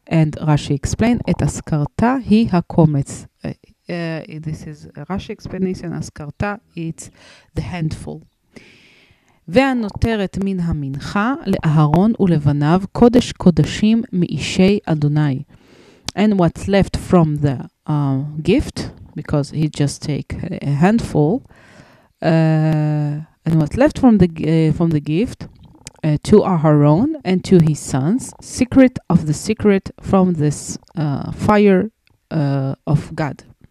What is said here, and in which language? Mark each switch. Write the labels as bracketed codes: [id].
[en] And Rashi explained, [he] et askarta hi hakometz. [en] This is Rashi explanation. Askarta, it's the handful. [he] והנותרת מן המנחה לאהרון ולבניו קודש קודשים מאישי אדוני. [en] And what's left from the gift, because he just take a handful, and what's left from the gift to Aharon and to his sons, secret of the secret from this fire of God.